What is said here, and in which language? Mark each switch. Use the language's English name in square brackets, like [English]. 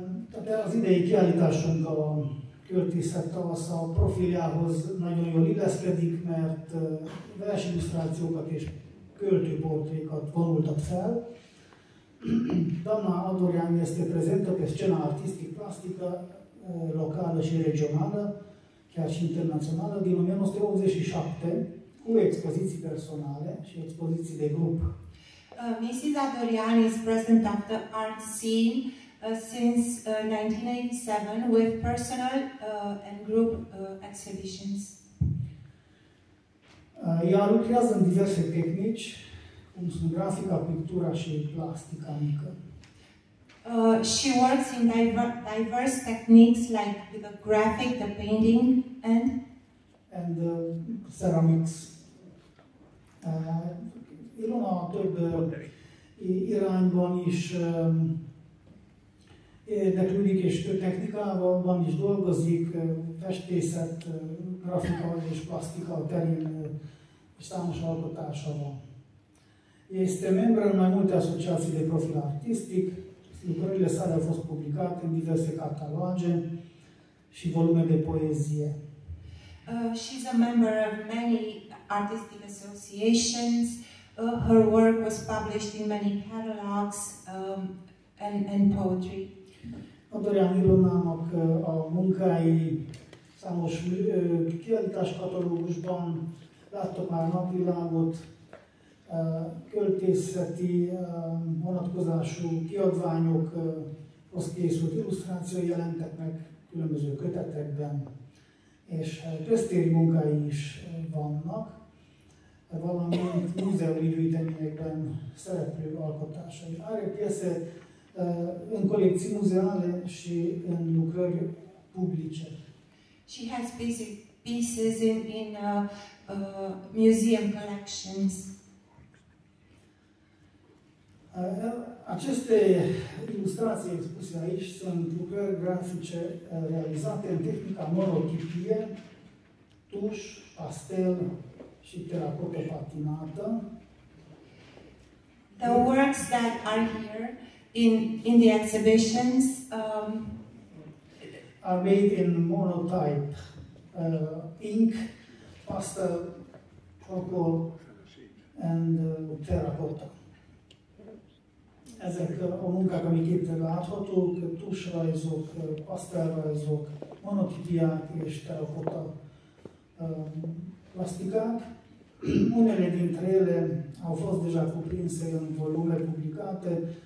[Hungarian] Tehát az idei kiállításunk a költészet tavasza a profiljához nagyon jól illeszkedik, mert vers illusztrációkat és költőportrékat vonultak fel. [Romanian] Danna Adorjani este prezentă pe scena artistic plastică locală și regională, chiar și internațională, din 1987, cu expoziții personale și expoziții de grup. [English] Mrs. Adorjani is present at the art scene since 1987 with personal and group exhibitions. [Romanian] Ea lucrează în diverse tehnici, cum sunt grafica, pictura și plastica mică. [English] She works in diverse techniques like the graphic, the painting and ceramics. [Hungarian] Ilona több irányban is érdeklődik és több technikában is dolgozik, festészet, grafika és plastika terén számos alkotása van. [Romanian] Este membru mai multe asociații de profil artistic, lucrările sale au fost publicate în diverse cataloge și volume de poezie. [English] She's a member of many artistic associations. Her work was published in many catalogs and poetry. [Hungarian] Adorjan Ilonának a munkái számos kiállítás katalógusban láttok már napvilágot, költészeti vonatkozású kiadványokhoz készült illusztráció jelentek meg különböző kötetekben, és köztéri munkái is vannak, valamint múzeumi gyűjteményekben szereplő alkotásai. [Romanian] Are piese în colecții muzeale și în lucrări publice. [English] She has basic pieces in museum collections. [Romanian] Aceste ilustrații expuse aici sunt lucrări grafice realizate în tehnica monotipie, tuș, pastel și teracotă patinată. [English] The works that are here in the exhibitions are made in monotype ink, pastel, charcoal and terracotta. [Hungarian] Ezek a munkák, amik itt láthatók, tusrajzok, pasztelrajzok, monotipiák és terracotta plastikák. [Romanian] Unele dintre ele au fost deja cuprinse în volume publicate.